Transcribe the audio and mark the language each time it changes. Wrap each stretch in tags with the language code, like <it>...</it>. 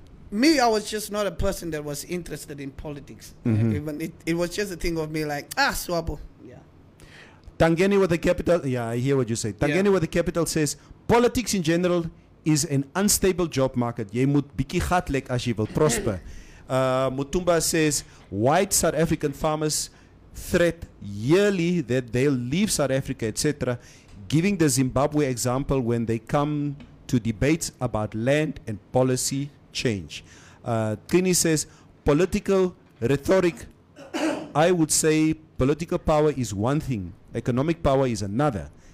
<en>Me, I was just not a person that was interested in politics. Even it was just a thing of me like, Swabo. Tangeni with the capital. I hear what you say. Tangeni with the capital says, politics in general is an unstable job market.</en> <af>Jy moet bietjie gat lek as jy wil prosper.</af> <en>Mutumba says, white South African farmers threat yearly that they'll leave South Africa, etc., giving the Zimbabwe example when they come to debates about land and policy change. Kini says, political rhetoric, I would say political power is one thing, economic power is another.</en>